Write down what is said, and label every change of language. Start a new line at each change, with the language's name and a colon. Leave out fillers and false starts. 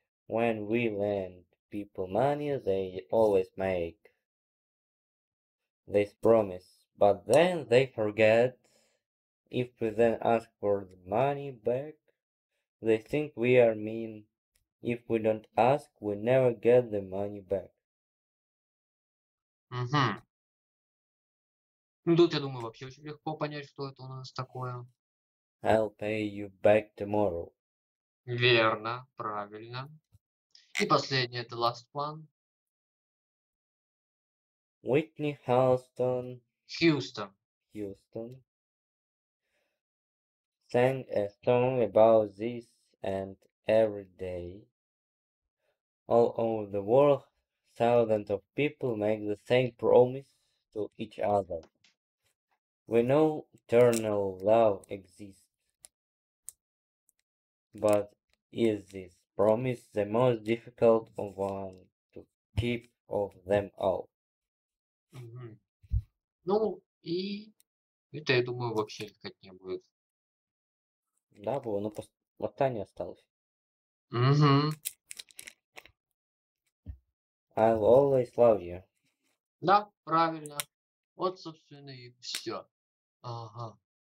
English: When we lend people money, they always make this promise. But then they forget. If we then ask for the money back, they think we are mean. If we don't ask, we never get the money back. Mm-hmm.
Russian: Ну, тут, я думаю, вообще очень легко понять, что это у нас такое.
English: I'll pay you back tomorrow.
Russian: Верно, правильно. И последнее,
English: the last one. Whitney Houston. Houston. Houston. Sang a song about this and every day. All over the world, thousands of people make the same promise to each other. We know eternal love exists, but is this promise the most difficult one to keep of them all? Mm-hmm.
Russian: Ну, и это, я думаю, вообще никак не будет. Да, было, но пустота не осталось. Mm-hmm.
English: I'll always love you.
Russian: Да, правильно. Вот, собственно, и все. Ага.